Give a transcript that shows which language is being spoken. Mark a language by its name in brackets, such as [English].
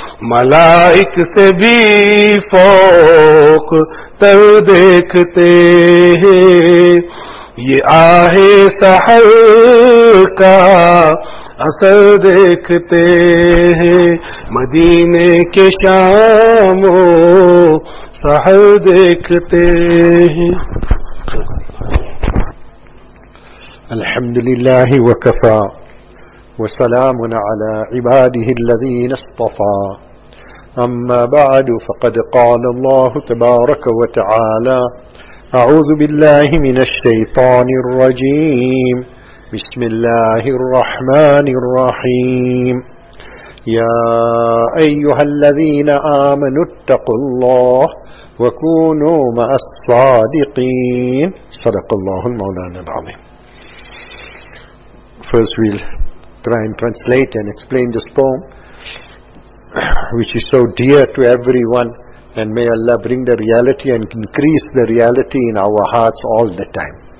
[Urdu] ملائک سے بھی فوق تر دیکھتے ہیں, یہ آہِ سحر کا اثر دیکھتے ہیں, مدینے کے شام و سحر دیکھتے ہیں. [Arabic] الحمد لله وكفى وسلام على عباده الذين اصطفى, أما بعد فقد قال الله تبارك وتعالى, أعوذ بالله من الشيطان الرجيم, بسم الله الرحمن الرحيم, يا أيها الذين آمنوا اتقوا الله وكونوا مع الصادقين, صدق الله مولانا العظيم. [English] First we'll try and translate and explain this poem which is so dear to everyone, and may Allah bring the reality and increase the reality in our hearts all the time.